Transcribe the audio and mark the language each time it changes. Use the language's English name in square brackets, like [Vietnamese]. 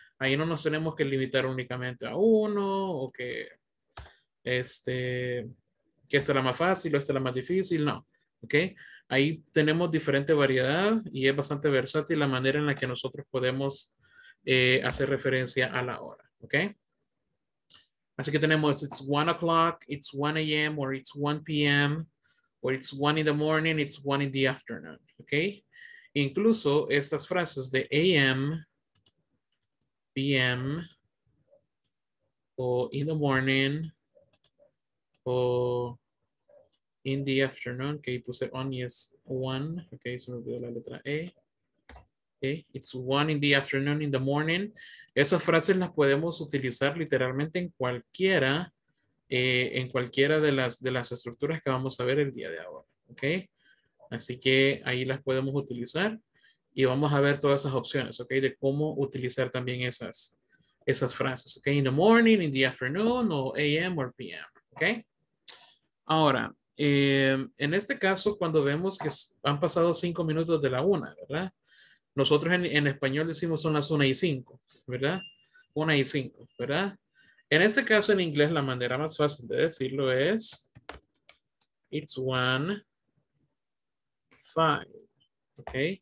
[Spanish] Ahí no nos tenemos que limitar únicamente a uno, o que esta es la más fácil o esta es la más difícil, no. Okay. Ahí tenemos diferente variedad y es bastante versátil la manera en la que nosotros podemos hacer referencia a la hora. [English] Okay. [Spanish] Así que tenemos [English] it's 1 o'clock, it's 1 a.m. or it's 1 p.m. or it's 1 in the morning, it's 1 in the afternoon. [Spanish] Okay. Incluso estas frases de a.m., p.m. o [English] in the morning [Spanish] o [English] in the afternoon, [Spanish] que okay, puse on y es 1, ok, se me olvidó la letra E. [English] Okay, it's 1 in the afternoon, in the morning. [Spanish] Esas frases las podemos utilizar literalmente en cualquiera de las estructuras que vamos a ver el día de ahora, ok. Así que ahí las podemos utilizar. Y vamos a ver todas esas opciones, ¿ok? De cómo utilizar también esas frases, ¿ok? [English] In the morning, in the afternoon, o a.m. or p.m., ¿ok? [Spanish] Ahora, en este caso, cuando vemos que han pasado 5 minutos de la 1, ¿verdad? Nosotros en español decimos son las 1:05, ¿verdad? 1:05, ¿verdad? En este caso, en inglés, la manera más fácil de decirlo es [English] it's 1:05, [Spanish] ¿ok?